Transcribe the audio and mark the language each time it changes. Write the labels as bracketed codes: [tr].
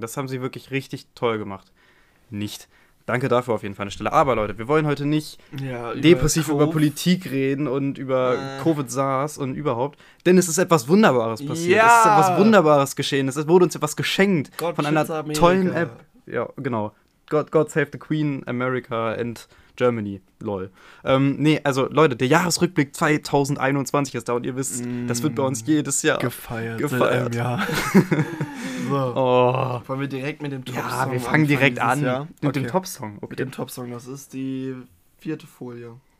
[de] Das haben sie wirklich richtig toll gemacht. Nicht. Danke dafür auf jeden Fall eine Stelle. Aber Leute, wir wollen heute nicht depressiv über Politik reden und über Covid-SARS und überhaupt. Denn es ist etwas Wunderbares passiert. Ja. Es ist etwas Wunderbares geschehen. Es wurde uns etwas geschenkt von einer tollen App. Ja, genau. [en] God save the Queen, America and Germany. Lol. [de] Also Leute, der Jahresrückblick 2021 ist da und ihr wisst, das wird bei uns jedes Jahr gefeiert. In einem Jahr. So. Wollen wir direkt mit dem Top-Song anfangen? Ja, wir fangen direkt an. Mit dem Top-Song. Okay. Mit dem Top-Song, das ist die 4. Folie.